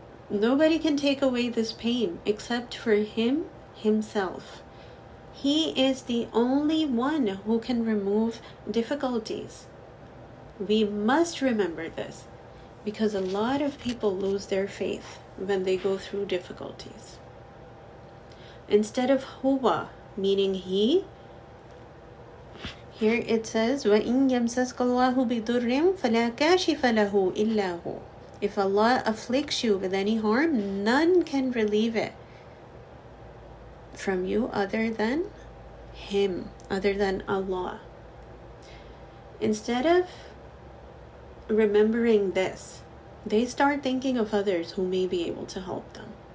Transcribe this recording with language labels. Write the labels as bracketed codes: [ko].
[en] Nobody can take away this pain except for Him Himself. He is the only one who can remove difficulties. We must remember this because a lot of people lose their faith when they go through difficulties. Instead of huwa, meaning He, here it says, [ar] وَإِنْ يَمْسَسْكَ اللَّهُ بِضُرٍّ فَلَا كَاشِفَ لَهُ إِلَّا هُوَ. [en] If Allah afflicts you with any harm, none can relieve it from you other than Him, other than Allah. Instead of remembering this, they start thinking of others who may be able to help them.